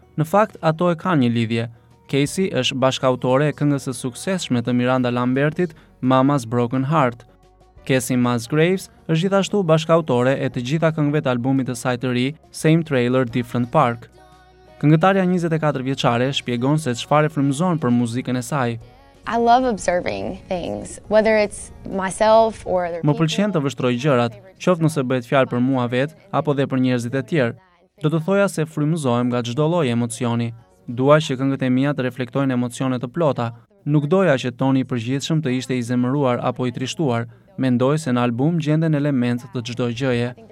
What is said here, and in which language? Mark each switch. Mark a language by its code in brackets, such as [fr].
[sq] Në fakt, ato e kanë një lidhje. Casey është bashkautore e këngës së suksesshme të Miranda Lambertit, Mama's Broken Heart. Casey Musgraves është gjithashtu bashkautore e të gjitha këngëve të albumit të saj të ri, Same Trailer, Different Park. Këngëtarja 24 vjeçare shpjegon se çfarë frymëzon për muzikën e saj. [en] I love observing things, whether it's myself or other people. [sq] Më pëlqen të vështroj gjërat, qoftë nëse bëhet fjalë për mua vetë apo dhe për njerëzit e tjerë. Do të thoja se frymëzohem nga çdo lloj emocioni. Dua që këngët e mia të reflektojnë emocione të plota. Nuk doja që toni i përgjithshëm të ishte i zemëruar apo i trishtuar. Mendoj se në album gjenden elementë të çdo gjëje.